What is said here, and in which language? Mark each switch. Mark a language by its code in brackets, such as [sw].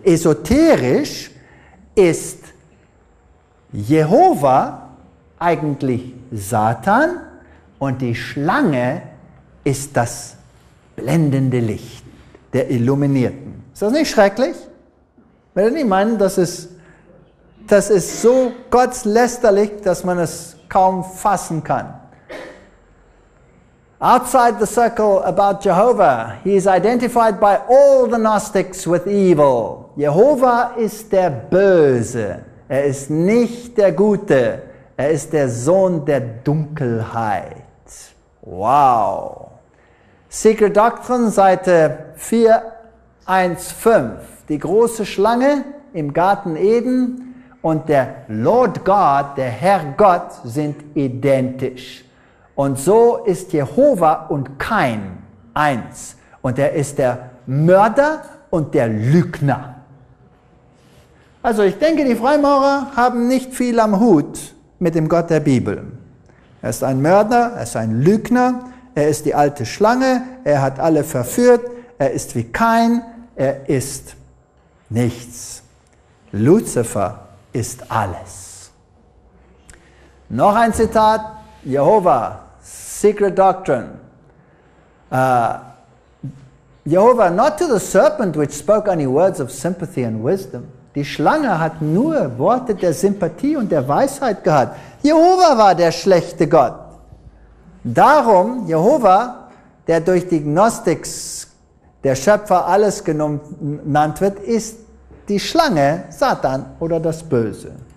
[de] Esoterisch ist Jehova eigentlich Satan und die Schlange ist das blendende Licht der Illuminierten. Ist das nicht schrecklich? Wenn ihr nicht meinen, das ist so gottlästerlich, dass man es kaum fassen kann. [en] Outside the circle about Jehovah, he is identified by all the Gnostics with evil. [de] Jehova ist der Böse. Er ist nicht der Gute. Er ist der Sohn der Dunkelheit. Wow. Secret Doctrine, Seite 415. Die große Schlange im Garten Eden und der Lord God, der Herr Gott, sind identisch. Und so ist Jehova und Kain eins. Und er ist der Mörder und der Lügner. Also ich denke, die Freimaurer haben nicht viel am Hut mit dem Gott der Bibel. Er ist ein Mörder, er ist ein Lügner, er ist die alte Schlange, er hat alle verführt, er ist wie Kain, er ist nichts. Luzifer ist alles. Noch ein Zitat, Jehova, Secret Doctrine. [en] Jehova, not to the serpent which spoke any words of sympathy and wisdom. [de] Die Schlange hat nur Worte der Sympathie und der Weisheit gehabt. Jehova war der schlechte Gott. Darum, Jehova, der durch die Gnostics der Schöpfer alles genannt wird, ist die Schlange, Satan oder das Böse.